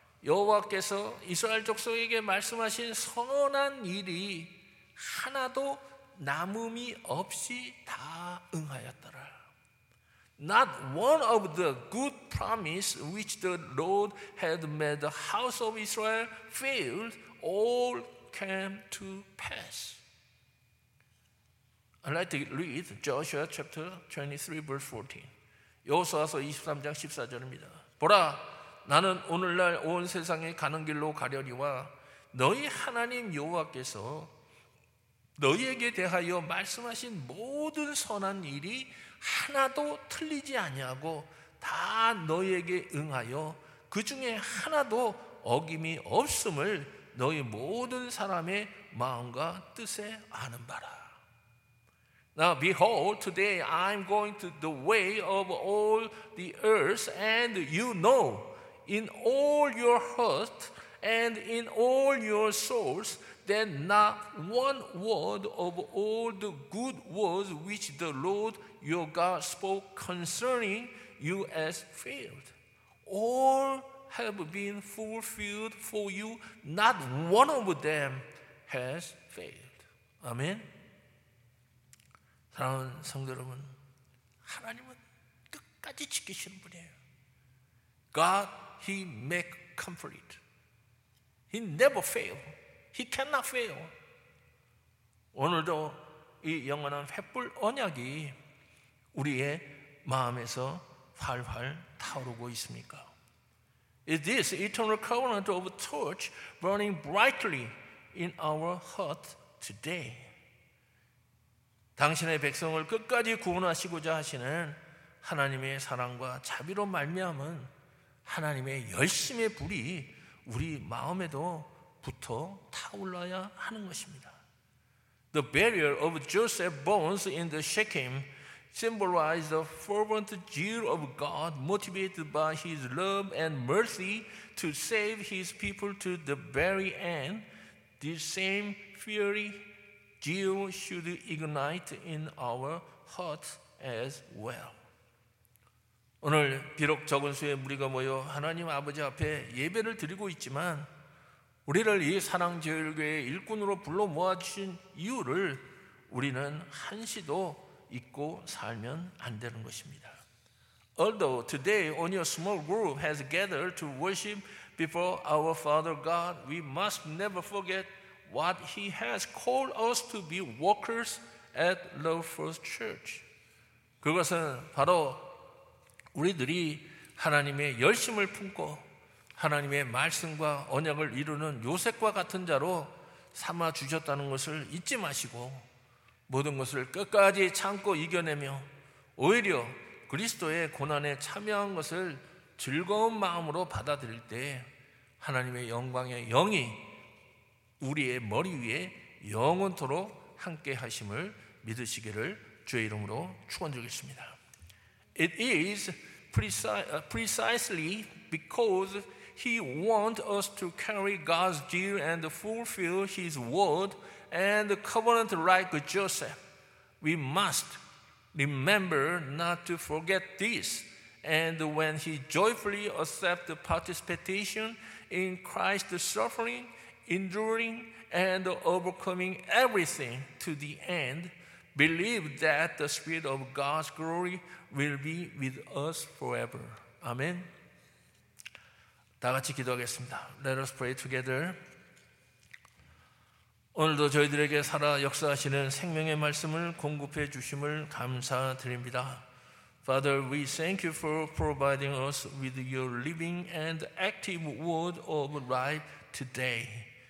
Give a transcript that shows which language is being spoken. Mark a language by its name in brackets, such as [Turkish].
[Korean] 여호와께서 이스라엘 족속에게 말씀하신 선언한 일이 하나도 남음이 없이 다 응하였더라. [English] Not one of the good promise which the Lord had made the house of Israel failed, all came to pass. I'd like to read Joshua chapter 23 verse 14. [Korean] 여호수아서 23장 14절입니다. 보라, 나는 오늘날 온 세상에 가는 길로 가려니와 너희 하나님 여호와께서 너희에게 대하여 말씀하신 모든 선한 일이 하나도 틀리지 아니하고 다 너희에게 응하여 그 중에 하나도 어김이 없음을 너희 모든 사람의 마음과 뜻에 아는 바라. [English] Now behold, today I am going to the way of all the earth, and you know in all your heart and in all your souls, that not one word of all the good words which the Lord your God spoke concerning you has failed. All have been fulfilled for you. Not one of them has failed. 아멘. [Korean] 사랑하는 성도 여러분, 하나님은 끝까지 지키시는 분이에요. [English] God, He make complete. He never fail. He cannot fail. [Korean] 오늘도 이 영원한 횃불 언약이 우리의 마음에서 활활 타오르고 있습니까? [English] Is this eternal covenant of a torch burning brightly in our heart today? [Korean] 당신의 백성을 끝까지 구원하시고자 하시는 하나님의 사랑과 자비로 말미암은 하나님의 열심의 불이 우리 마음에도 붙어 타올라야 하는 것입니다. [English] The burial of Joseph's bones in the Shechem symbolized the fervent zeal of God motivated by his love and mercy to save his people to the very end. This same fiery zeal should ignite in our hearts as well. [Korean] 오늘 비록 적은 수의 무리가 모여 하나님 아버지 앞에 예배를 드리고 있지만 우리를 이 사랑제일교회의 일꾼으로 불러 모아주신 이유를 우리는 한시도 잊고 살면 안 되는 것입니다. [English] Although today only a small group has gathered to worship before our Father God, we must never forget what He has called us to be workers at the First Church. [Korean] 그것은 바로 우리들이 하나님의 열심을 품고 하나님의 말씀과 언약을 이루는 요셉과 같은 자로 삼아주셨다는 것을 잊지 마시고 모든 것을 끝까지 참고 이겨내며 오히려 그리스도의 고난에 참여한 것을 즐거운 마음으로 받아들일 때 하나님의 영광의 영이 우리의 머리 위에 영원토록 함께 하심을 믿으시기를 주의 이름으로 축원드리겠습니다. [English] It is precisely because He wants us to carry God's zeal and fulfill His word and covenant like Joseph. We must remember not to forget this. And when He joyfully accepts participation in Christ's suffering, enduring, and overcoming everything to the end, believe that the Spirit of God's glory will be with us forever. Amen. [Korean] 다 같이 기도하겠습니다. [English] Let us pray together. [Korean] 오늘도 저희들에게 살아 역사하시는 생명의 말씀을 공급해 주심을 감사드립니다. [English] Father, we thank you for providing us with your living and active word of life today.